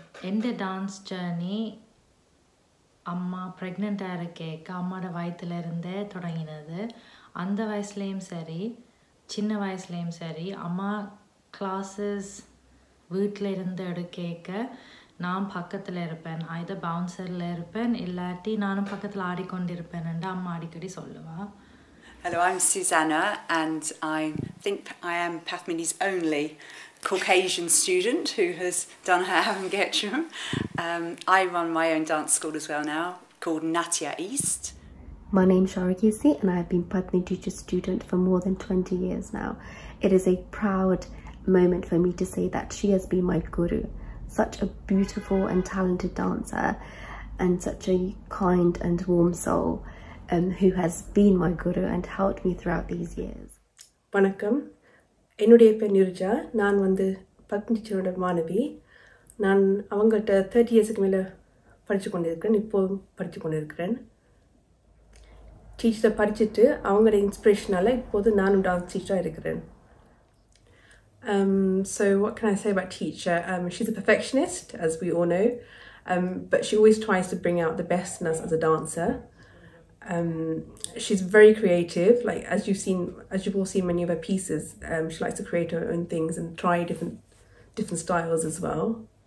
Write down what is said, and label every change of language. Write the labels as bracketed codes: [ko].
[ta] எந்த dance journey அம்மா ப்ரெக்னெண்ட்டாக இருக்கேக்க அம்மாவோட வயிற்றுலேருந்தே தொடங்கினது. அந்த வயசுலேயும் சரி, சின்ன வயசுலேயும் சரி, அம்மா கிளாஸஸ் வீட்டில் இருந்து எடுக்கேக்க நான் பக்கத்தில் இருப்பேன், ஐதோ பவுன்சரில் இருப்பேன் இல்லாட்டி நானும் பக்கத்தில் ஆடிக்கொண்டிருப்பேன்ட்டு அம்மா அடிக்கடி சொல்லுவாள். [en] Hello, I'm Susanna, and I think I am Pathmini's only Caucasian student who has done her Avangetram. I run my own dance school as well now, called Natia East. My name's Sharagisi, and I have been Pathmini teacher student for more than 20 years now. It is a proud moment for me to say that she has been my guru, such a beautiful and talented dancer, and such a kind and warm soul. who has been my guru and helped me throughout these years. [ta] Vanakkam. என்னுடைய பேர் நிருஜா. நான் வந்து பத்மினியோட மாணவி. நான் அவங்ககிட்ட 30 இயர்ஸுக்கு மேலே படித்து கொண்டிருக்கிறேன். இப்போதும் படித்து கொண்டிருக்கிறேன். டீச்சரை படிச்சுட்டு அவங்களோட இன்ஸ்பிரேஷனால் இப்போது நானும் டான்ஸ் டீச்சராக இருக்கிறேன். [en] So what can I say about teacher? She's a perfectionist, as we all know. But she always tries to bring out the best in us as a dancer. She's very creative, like as you've all seen many of her pieces. She likes to create her own things and try different styles as well.